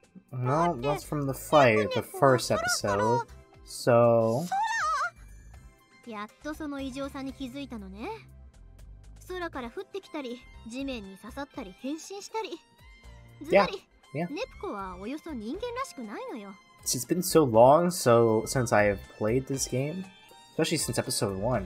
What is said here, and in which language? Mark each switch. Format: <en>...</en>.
<en>No, that's from the fight, the first episode. So.</en> <ja>やっとその異常さに気づいたのね。空から降ってきたり、地面に刺さったり、変身したり。ずばり、ネプコはおよそ人間らしくないのよ。</ja> <en>It's been so long since I have played this game, especially since episode one.</en>